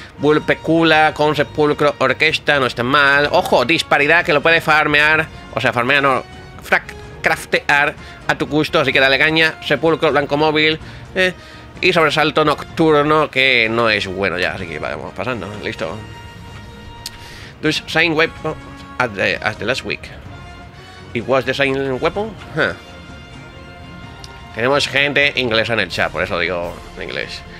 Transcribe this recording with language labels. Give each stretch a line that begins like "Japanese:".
Spanish: Vulpecula con sepulcro, orquesta, no está mal. Ojo, disparidad, que lo puedes farmear, o sea, farmear no, craftear a tu gusto, así que dale caña. Sepulcro, blanco móvil, y sobresalto nocturno, que no es bueno ya, así que vamos pasando, listo.
English: This same weapon as the last week. It was the same weapon, huh.
Spanish: Tenemos gente inglesa en el chat, por eso digo en inglés.